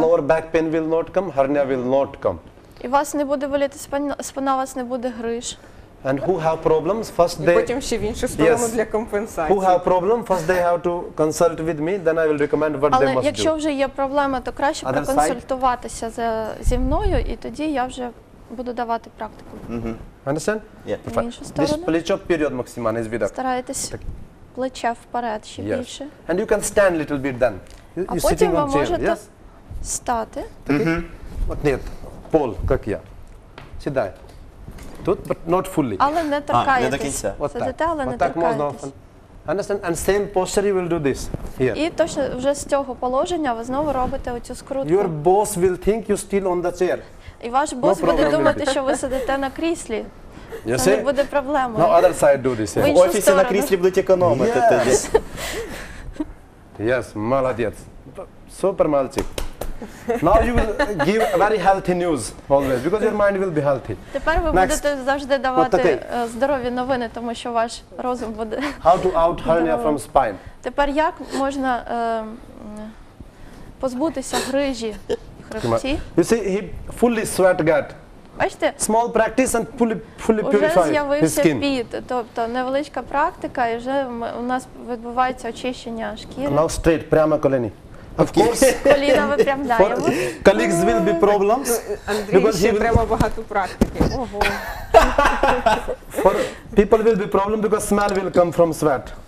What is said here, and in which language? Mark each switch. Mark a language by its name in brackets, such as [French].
[English] Lower back pain will not come, hernia will not come. [Ukrainian] І вас не буде боліти спина, вас не буде гриж. [English] And who have problems, first they... [Ukrainian] І потім ще в іншу сторону для компенсації. [English] Who have problem, first they have to consult with me, then I will recommend what [Ukrainian] але [English] they must do. [Ukrainian] Але якщо вже є проблема, то краще other проконсультуватися зі мною, і тоді я вже буду давати практику. [English] Understand? Yeah. [Ukrainian] В іншу сторону. [English] This [Ukrainian] плечо вперед максимально, із відок. Старайтесь плеча вперед ще більше. [English] And you can stand a little bit then. [Ukrainian] А потім ви можете стати. От ні, пол, як я. Сідай. Тут, [English] but not fully. [Ukrainian] Але не торкаєтесь. Не до кінця. Сидите, але не торкаєтесь. [English] Understand? And same posture you will do this. Here. [Ukrainian] І точно вже з цього положення ви знову робите оцю скрутку. [English] Your boss will think you still on the chair. [Ukrainian] І ваш бос буде думати, що ви сидите на кріслі. Це не буде проблемою. [English] No, other side do this. [Ukrainian] В офісі на кріслі будуть економити. [English] Yes. Yes, [Ukrainian] молодець. Супер мальчик. [English] Now you will give very healthy news always, because your mind will be healthy. [Ukrainian] Тепер ви будете завжди давати здорові новини, тому що ваш розум буде... [English] How to out hernia from spine? [Ukrainian] Тепер як можна позбутися грижі в хребті? [English] You see, he fully sweat got. [Ukrainian] Бачите? [English] Small practice and fully purified. [Ukrainian] Уже з'явився піт, тобто невеличка практика і вже у нас відбувається очищення шкіри. [English] Now straight, [Ukrainian] прямо колені. [English] Of course. [Ukrainian] Коліна випрямляємо. [English] Colleagues will be problems. [Ukrainian] Андрій, ще треба багато практики. Ого. [English] People will be problem because smell will come from sweat.